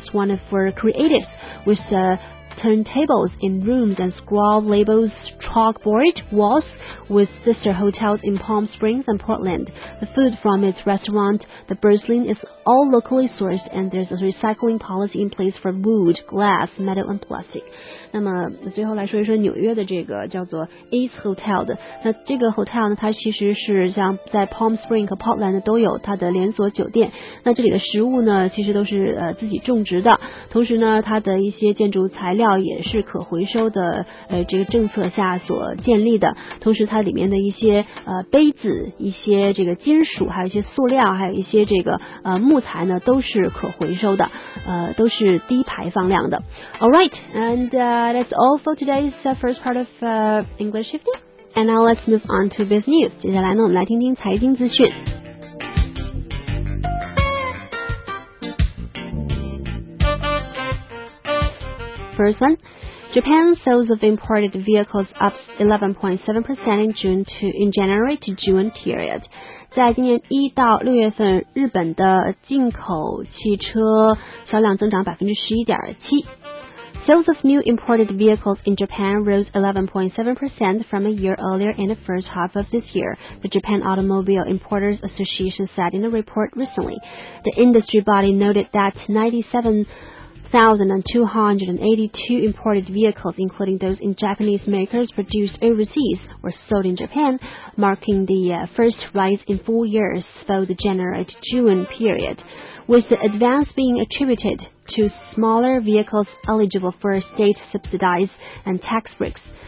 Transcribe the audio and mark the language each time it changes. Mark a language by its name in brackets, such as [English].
[English] It's one for creatives with turntables in rooms and scroll labels, chalkboard walls with sister hotels in Palm Springs and Portland. The food from its restaurant, the Burslin, is all locally sourced and there's a recycling policy in place for wood, glass, metal and plastic. [Chinese] 那么最后来说一说纽约的这个叫做 Ace Hotel 的，那这个 hotel 呢它其实是像在 Palm Springs 和 Portland 都有它的连锁酒店，那这里的食物呢其实都是自己种植的，同时呢它的一些建筑材料也是可回收的这个政策下所建立的，同时它里面的一些杯子，一些这个金属，还有一些塑料，还有一些这个木材呢都是可回收的，都是低排放量的。 [English] Alright, andThat's all for today's first part of English Evening. And now let's move on to Biz News. [Chinese] 接下来呢，我们来听听财经资讯。 [English] First one. Japan's sales of imported vehicles up 11.7% in January to June period. [Chinese] 在今年1到6月份，日本的进口汽车销量增长 11.7%。 [English] Sales of new imported vehicles in Japan rose 11.7% from a year earlier in the first half of this year, the Japan Automobile Importers Association said in a report recently. The industry body noted that 97,282 imported vehicles, including those in Japanese makers produced overseas, were sold in Japan, marking the first rise in 4 years for the January to June period, with the advance being attributed to smaller vehicles eligible for state subsidies and tax breaks.